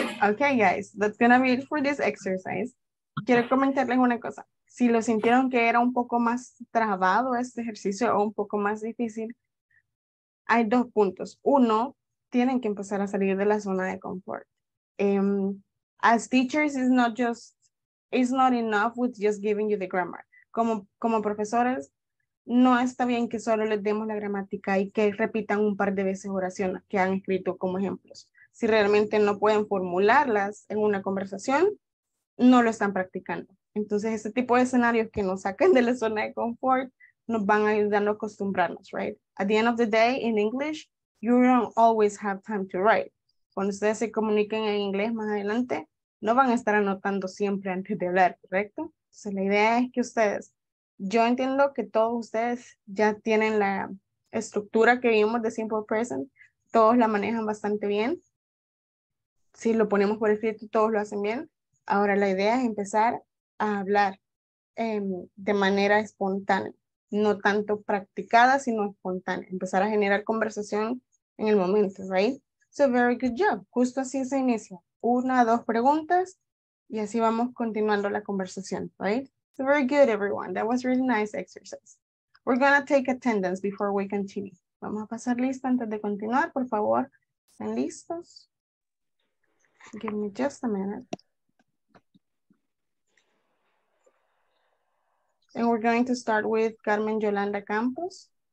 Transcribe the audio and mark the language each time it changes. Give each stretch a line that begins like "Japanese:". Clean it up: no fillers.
English: Okay, guys, that's going to be it for this exercise.
Spanish: Quiero comentarles una cosa. Si lo sintieron que era un poco más trabado este ejercicio o un poco más difícil, hay dos puntos. Uno, tienen que empezar a salir de la zona de confort.
English: As teachers, it's not enough with just giving you the grammar.
Spanish: Como profesores, no está bien que solo les demos la gramática y que repitan un par de veces oraciones que han escrito como ejemplos. Si realmente no pueden formularlas en una conversación, no lo están practicando. Entonces, ese tipo de escenarios que nos sacan de la zona de confort nos van ayudando a acostumbrarnos, right?
English: At the end of the day, in English, you don't always have time to write.
Spanish: Cuando ustedes se comuniquen en inglés más adelante, no van a estar anotando siempre antes de hablar, ¿correcto? Entonces, la idea es que ustedes, yo entiendo que todos ustedes ya tienen la estructura que vimos de Simple Present, todos la manejan bastante bien. Si lo ponemos por escrito, todos lo hacen bien. Ahora la idea es empezar a hablar de manera espontánea, no tanto practicada, sino espontánea. Empezar a generar conversación en el momento, right?
English: So very good job.
Spanish: Justo así se inicia. Una, dos preguntas y así vamos continuando la conversación, right?
English: So very good, everyone. That was really nice exercise. We're going to take attendance before we continue.
Spanish: Vamos a pasar lista antes de continuar, por favor. ¿Están listos?
English: Give me just a minute. And we're going to start with Carmen Yolanda Campos.